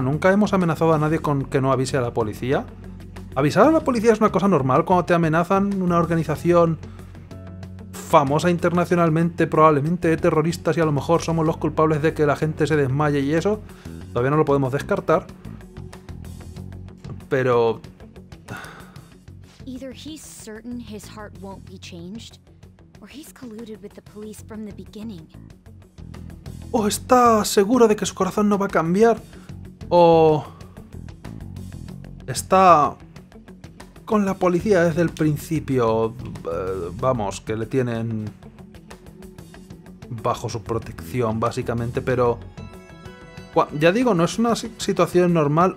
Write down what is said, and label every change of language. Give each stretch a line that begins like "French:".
Spanish: Nunca hemos amenazado a nadie con que no avise a la policía. Avisar a la policía es una cosa normal cuando te amenazan una organización famosa internacionalmente, probablemente de terroristas, y a lo mejor somos los culpables de que la gente se desmaye y eso. Todavía no lo podemos descartar.
English: Pero either he's certain his heart won't be changed, or he's colluded with the police from the beginning.
Spanish: O está seguro de que su corazón no va a cambiar, o está con la policía desde el principio. Vamos, que le tienen bajo su protección, básicamente, pero ya digo, no es una situación normal.